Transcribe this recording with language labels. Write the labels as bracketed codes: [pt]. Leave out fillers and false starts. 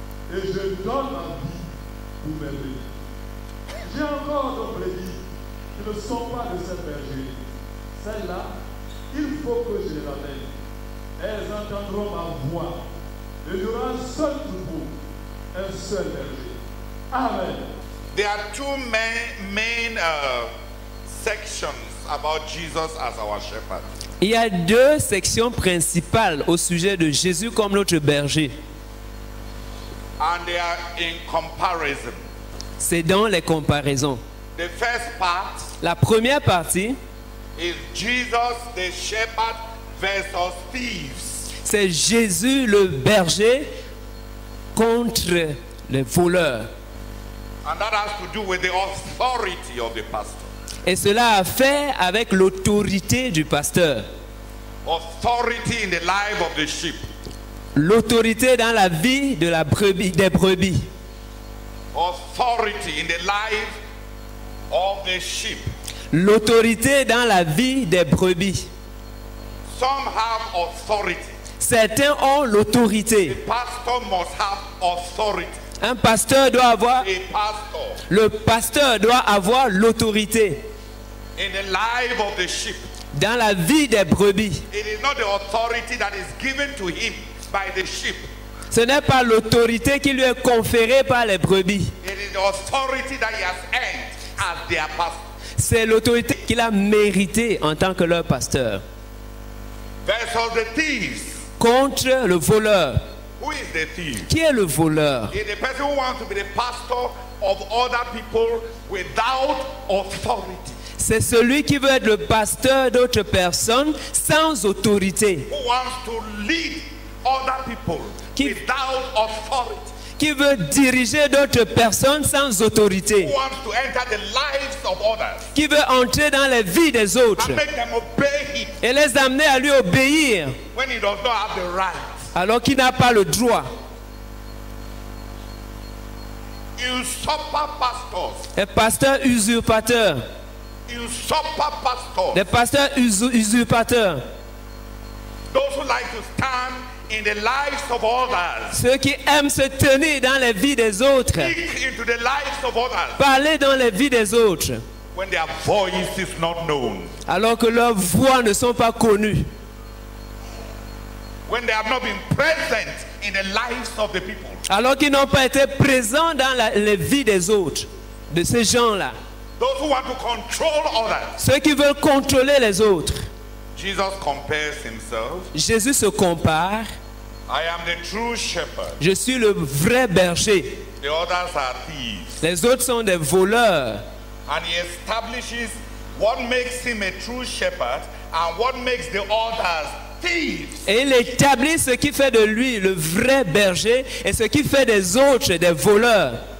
[fr] Et je donne ma vie pour mes brebis. J'ai encore des brebis qui ne sont pas de ce berger. Celles-là, il faut que je les ramène. Elles entendront ma voix. Et il y aura un seul troupeau, un seul berger. Amen. [en] There are two main sections about Jesus as our shepherd. [fr] Il y a deux sections principales au sujet de Jésus comme notre berger. [en] And they are in comparison. [fr] C'est dans les comparaisons. [en] The first part, [fr] la première partie, [en] is Jesus the shepherd versus thieves. [fr] C'est Jésus le berger contre les voleurs. [en] And that has to do with the authority of the pastor. [fr] Et cela a fait avec l'autorité du pasteur. [en] Authority in the life of the sheep. [fr] L'autorité dans la vie de la brebis, des brebis. [en] Authority in the life of the sheep. [fr] L'autorité dans la vie des brebis. [en] Some have authority. [fr] Certains ont l'autorité. [en] The pastor must have authority. [fr] Un pasteur doit avoir [en] pastor. [fr] Le pasteur doit avoir l'autorité [en] in the life of the sheep. [fr] Dans la vie des brebis. [en] It is not the authority that is given to him by the sheep. [fr] Ce n'est pas l'autorité qui lui est conférée par les brebis. [en] It is the authority that he has earned as their pastor. [fr] C'est l'autorité qu'il a méritée en tant que leur pasteur. [en] Versus the thieves. [fr] Contre le voleur. [en] Who is the thief? [fr] Qui est le voleur? [en] It is the person who wants to be the pastor of other people without authority. [fr] C'est celui qui veut être le pasteur d'autres personnes sans autorité. [en] Who wants to lead other people without authority. [fr] Qui veut diriger d'autres personnes sans autorité. [en] Who wants to enter the lives of others. [fr] Qui veut entrer dans les vies des autres. [en] And make them obey him. [fr] Et les amener à lui obéir. [en] When he does not have the right. [fr] Alors qu'il n'a pas le droit. [en] Usurper pastors. [fr] Les pasteurs usurpateurs. [en] Usurper pastors. [fr] Les pasteurs usurpateurs. [en] Those who like to stand in the lives of others. [fr] Ceux qui aiment se tenir dans les vies des autres. [en] Speak into the lives of others. [fr] Parler dans les vies des autres. [en] When their voice is not known. [fr] Alors que leurs voix ne sont pas connues. [en] When they have not been present in the lives of the people. [fr] Alors qu'ils n'ont pas été présents dans les vies des autres, de ces gens-là. [en] Those who want to control others. [fr] Ceux qui veulent contrôler les autres. [en] Jesus compares himself. [fr] Jésus se compare. [en] I am the true shepherd. [fr] Je suis le vrai berger. [en] The others are thieves. [fr] Les autres sont des voleurs. [en] And he establishes what makes him a true shepherd and what makes the others thieves. [fr] Et il établit ce qui fait de lui le vrai berger et ce qui fait des autres des voleurs.